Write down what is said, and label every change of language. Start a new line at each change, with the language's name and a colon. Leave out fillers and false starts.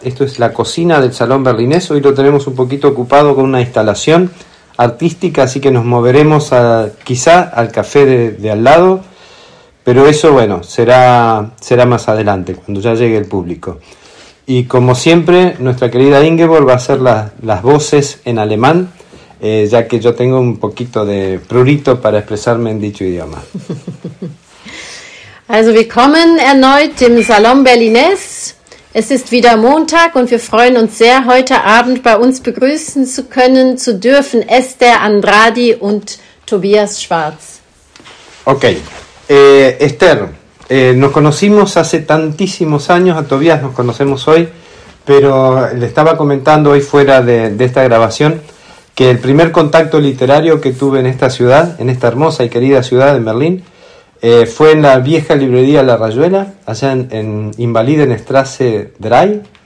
Spanish: Esto es la cocina del Salón Berlinés. Hoy lo tenemos un poquito ocupado con una instalación artística, así que nos moveremos quizá al café de al lado, pero eso, bueno, será más adelante, cuando ya llegue el público. Y como siempre, nuestra querida Ingeborg va a hacer las voces en alemán, ya que yo tengo un poquito de prurito para expresarme en dicho idioma.
German: Also willkommen erneut im Salon Berlinés. Es ist wieder Montag und wir freuen uns sehr, heute Abend bei uns begrüßen zu können, zu dürfen, Esther Andrade und Tobias Schwartz. Okay.
Spanish: Esther, nos conocimos hace tantísimos años, a Tobias nos conocemos hoy, pero le estaba comentando hoy fuera de esta grabación que el primer contacto literario que tuve en esta ciudad, en esta hermosa y querida ciudad de Berlín, fue en la vieja librería La Rayuela, allá en Invalidenstrasse 3,